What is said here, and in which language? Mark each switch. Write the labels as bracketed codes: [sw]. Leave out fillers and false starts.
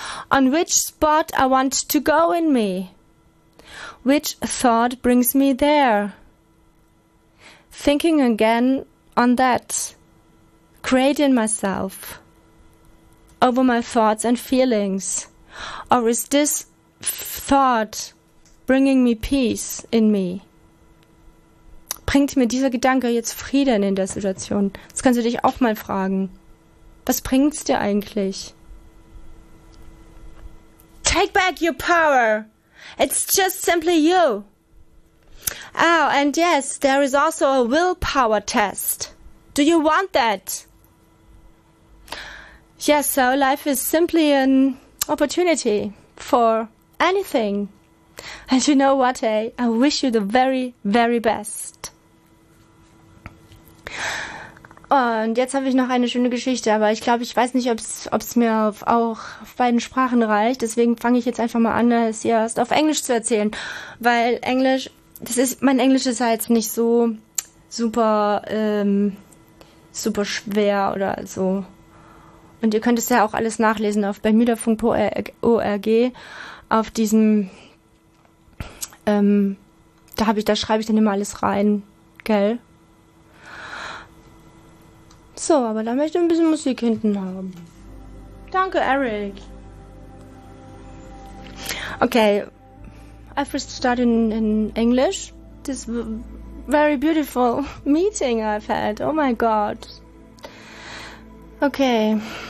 [en] On which spot I want to go in me? Which thought brings me there? Thinking again on that, creating myself over my thoughts and feelings, or is this thought bringing me peace in me? [de] Bringt mir dieser Gedanke jetzt Frieden in der Situation? Das kannst du dich auch mal fragen. Was bringt's dir eigentlich? [en] Take back your power. It's just simply you. Oh, and yes, there is also a willpower test. Do you want that? Yes, so life is simply an opportunity for anything. And you know what, eh? I wish you the very, very best. [de] Und jetzt habe ich noch eine schöne Geschichte, aber ich glaube, ich weiß nicht, ob's mir auf beiden Sprachen reicht. Deswegen fange ich jetzt einfach mal an, es erst auf Englisch zu erzählen. Weil Englisch, mein Englisch ist halt nicht so super, super schwer oder so. Und ihr könnt es ja auch alles nachlesen auf bermuda.org, auf diesem, da schreibe ich dann immer alles rein, gell? So, aber da möchte ich ein bisschen Musik hinten haben. Danke, Eric. [en] Okay, I first started in English. This very beautiful meeting I've had. Oh my God. Okay.